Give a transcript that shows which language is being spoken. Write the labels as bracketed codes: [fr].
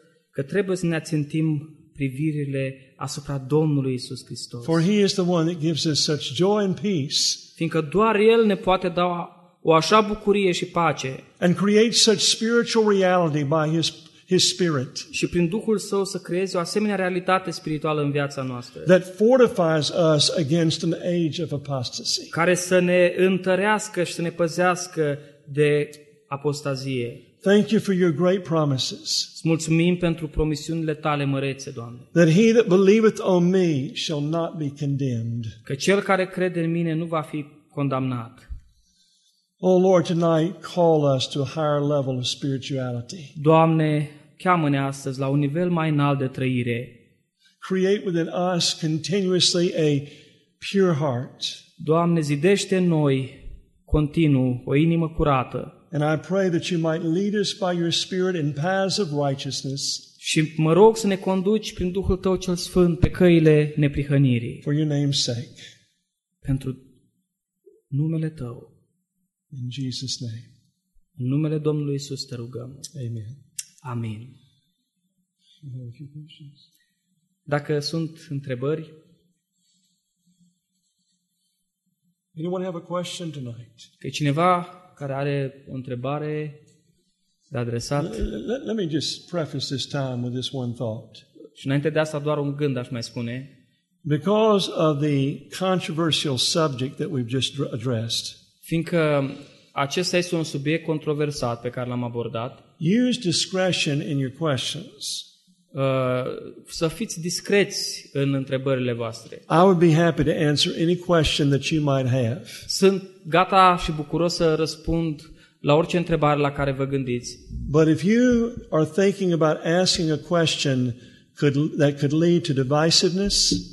[ro] Că trebuie să ne ațintim privirile asupra Domnului Iisus Hristos. [en] For he is the one that gives us such joy and peace. [ro] Fiindcă doar el ne poate da o așa bucurie și pace. [en] And create such spiritual reality by his His Spirit. [ro] Și prin Duhul Său să creeze o asemenea realitate spirituală în viața noastră. [en] That fortifies us against an age of apostasy. [ro] Care să ne întărească și să ne păzească de apostazie. [en] Thank you for your great promises. [ro] Mulțumim pentru promisiunile tale mărețe, Doamne. [en] That he that believeth on me shall not be condemned. [ro] Că cel care crede în mine nu va fi condamnat. [en] Oh Lord, tonight call us to a higher level of spirituality. [ro] Doamne, cheamă-ne astăzi la un nivel mai înalt de trăire. [en] Create within us continuously a pure heart. [ro] Doamne, zidește în noi continuu o inimă curată. [en] And I pray that you might lead us by your Spirit in paths of righteousness. [ro] Și mă rog să ne conduci prin Duhul tău cel sfânt pe căile neprihănirii. [en] For your name's sake. [ro] Pentru numele tău. [en] In Jesus' name. [ro] În numele Domnului Iisus te rugăm. [en] Amen. [ro] Amin. Dacă sunt întrebări. [en] Anyone have a question tonight? [ro] Că cineva care are o întrebare de adresat. [en] Let me just preface this time with this one thought. [ro] Și înainte de asta doar un gând aș mai spune. [en] Because of the controversial subject that we've just addressed. [ro] Fiindcă acesta este un subiect controversat pe care l-am abordat. [en] Use discretion in your questions. [ro] Să fiți discreți în întrebările voastre. [en] I would be happy to answer any question that you might have. [ro] Sunt gata și bucuros să răspund la orice întrebare la care vă gândiți. [en] But if you are thinking about asking a question that could lead to divisiveness,